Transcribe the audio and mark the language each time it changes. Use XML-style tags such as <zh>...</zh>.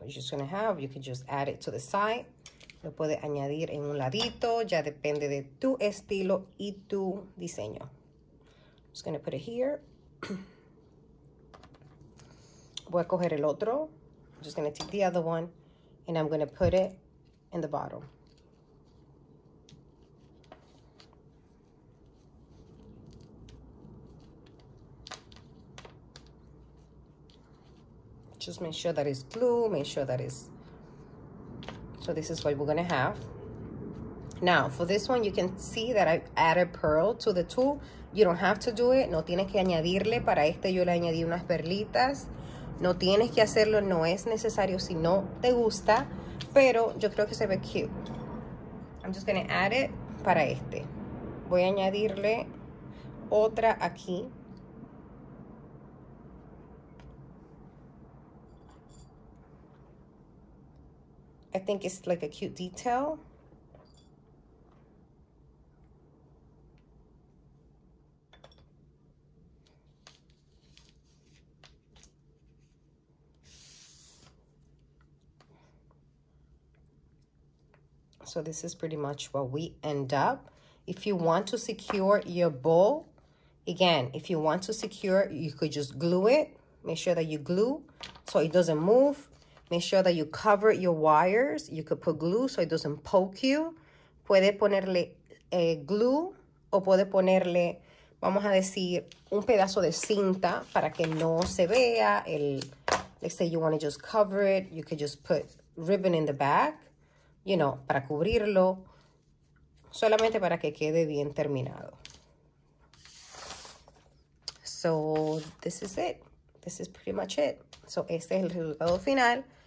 <en>You're just gonna have, you can just add it to the side.</en> <es>Lo puedes añadir en un ladito, ya depende de tu estilo y tu diseño.</es> <en>I'm just gonna put it here.</en> <es>Voy a coger el otro.</es> <en>I'm just gonna take the other one and I'm gonna put it in the bottom. Just make sure that it's glue, make sure that it's... So this is what we're gonna have. Now, for this one, you can see that I've added pearl to the tool. You don't have to do it.</en> <es>No tienes que añadirle. Para este yo le añadí unas perlitas. No tienes que hacerlo, no es necesario si no te gusta. Pero yo creo que se ve cute.</es> <en>I'm just gonna add it</en> <es>para este. Voy a añadirle otra aquí.</es> <en>I think it's like a cute detail. So this is pretty much what we end up. If you want to secure your bowl, again, if you want to secure, you could just glue it. Make sure that you glue so it doesn't move. Make sure that you cover your wires. You could put glue so it doesn't poke you.</en> <es>Puede ponerle glue o puede ponerle, vamos a decir, un pedazo de cinta para que no se vea.</es> <en>Let's say you want to just cover it. You could just put ribbon in the back, you know,</en> <es>para cubrirlo. Solamente para que quede bien terminado.</es> <en>So this is it. This is pretty much it. So</en> <es>este es el resultado final.</es>